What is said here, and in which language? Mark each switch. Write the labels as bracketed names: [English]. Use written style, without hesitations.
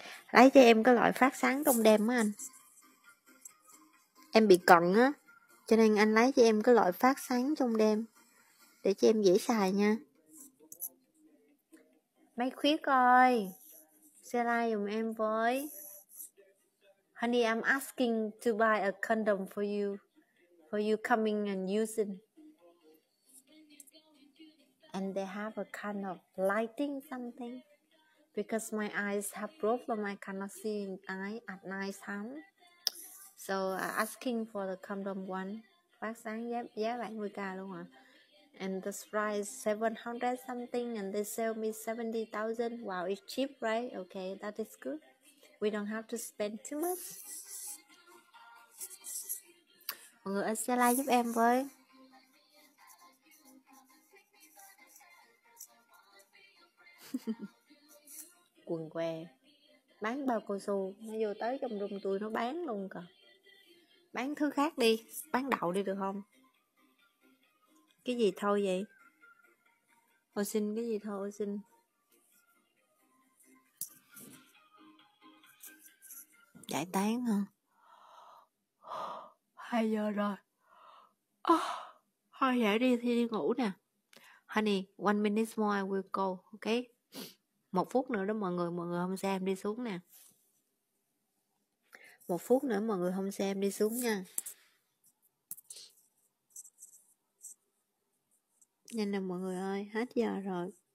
[Vietnamese] Lấy cho em cái loại phát sáng trong đêm á anh. Em bị cận á, cho nên anh lấy cho em cái loại phát sáng trong đêm để cho em dễ xài nha. Máy khuyết ơi, xe lai dùm em với. [English] Honey, I'm asking to buy a condom for you coming and using. And they have a kind of lighting something. Because my eyes have problem, I cannot see in eye at night time. So I'm asking for the condom one. [Vietnamese] Phát sáng giá 70k luôn hả? [English] And the price 700 something and they sell me 70,000. Wow, it's cheap, right? Okay, that is good. We don't have to spend too much. [Vietnamese] Mọi người ơi, share like giúp em với. Quần què. Bán bao cao su. Nó vô tới trong room tôi nó bán luôn kìa. Bán thứ khác đi. Bán đậu đi được không? Cái gì thôi vậy? Ô xin cái gì thôi ô xin. Giải tán hả? 2 giờ rồi. Thôi giải đi thì đi ngủ nè. [English] Honey, 1 minute more I will go. Ok. [Vietnamese] 1 phút nữa đó mọi người không xem đi xuống nè. 1 phút nữa mọi người không xem đi xuống nha. Nhanh nè mọi người ơi, hết giờ rồi.